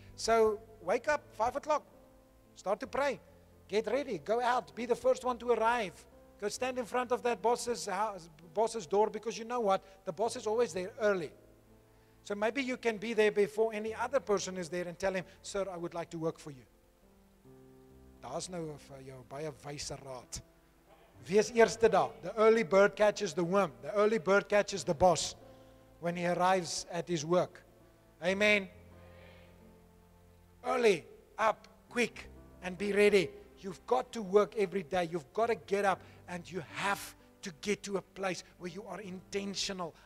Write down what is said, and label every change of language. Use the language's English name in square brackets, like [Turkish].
[English] So wake up, 5 o'clock. Start to pray. Get ready. Go out. Be the first one to arrive. Go stand in front of that boss's house, boss's door, because you know what? The boss is always there early. So maybe you can be there before any other person is there and tell him, sir, I would like to work for you. [Afrikaans] Daar's nou vir jou baie wyse raad. Wees eerste daar. [English] The early bird catches the worm. The early bird catches the boss when he arrives at his work. Amen. Early, up, quick, and be ready. You've got to work every day. You've got to get up, and you have to get to a place where you are intentional.